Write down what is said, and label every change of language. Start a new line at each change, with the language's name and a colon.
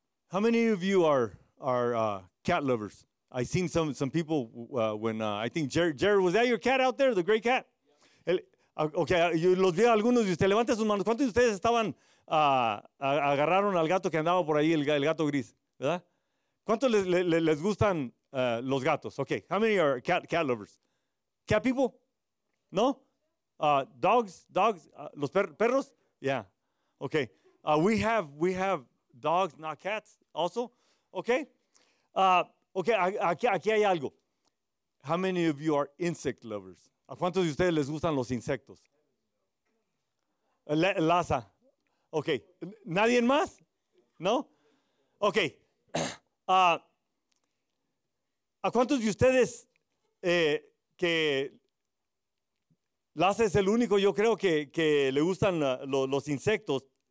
English: How many of you are cat lovers? I seen some people when I think Jerry, was that your cat out there, the gray cat? Okay,
Spanish: los vi a algunos de ustedes. Levanten sus manos. ¿Cuántos de ustedes agarraron al gato que andaba por ahí, el gato gris, verdad? ¿Cuántos les gustan los gatos?
English: Okay, how many are cat lovers? ¿Cat people?
Spanish: ¿No?
English: Dogs?
Spanish: ¿Los perros?
English: Yeah. Okay. We have dogs, not cats, also. Okay.
Spanish: Aquí hay algo.
English: How many of you are insect lovers?
Spanish: ¿A cuántos de ustedes les gustan los insectos? Laza.
English: Ok.
Spanish: ¿Nadie más? ¿No? Ok. ¿A cuántos de ustedes que Laza es el único, yo creo, que le gustan los insectos?